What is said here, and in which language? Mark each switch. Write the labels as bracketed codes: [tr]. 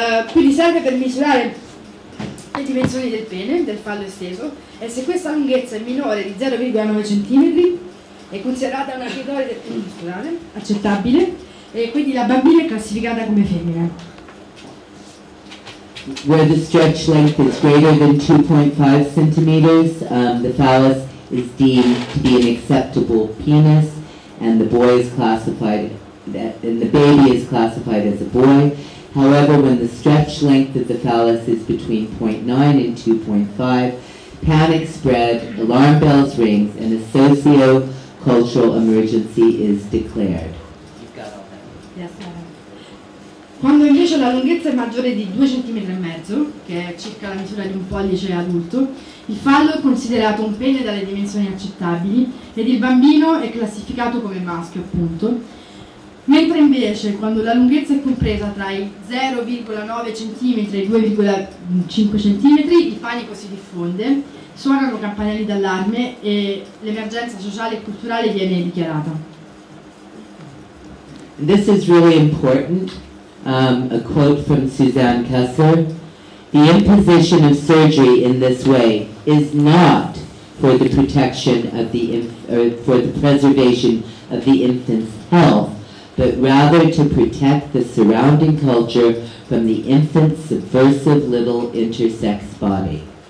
[it] Quindi serve per misurare le dimensioni del pene, del fallo esteso, e se questa lunghezza è minore di 0,9 cm è considerata una clitoride accettabile, e quindi la bambina è classificata come femmina. [en] Where the stretch length is greater than 2.5 centimeters, the phallus is deemed to be an acceptable penis, and the boy is classified, and the baby is classified as a boy. However, when the stretch length of the phallus is between 0.9 and 2.5, panic spread, alarm bells ring, and a socio-cultural emergency is declared. [it] Quando invece la lunghezza è maggiore di 2,5 cm, che è circa la misura di un pollice adulto, il fallo è considerato un pene dalle dimensioni accettabili ed il bambino è classificato come maschio, appunto. Mentre invece, quando la lunghezza è compresa tra i 0,9 cm e i 2,5 cm, il panico si diffonde, suonano campanelli d'allarme e l'emergenza sociale e culturale viene dichiarata. [en] This is really important. A quote from Suzanne Kessler: "The imposition of surgery in this way is not for the protection of the for the preservation of the infant's health, but rather to protect the surrounding culture from the infant's subversive little intersex body."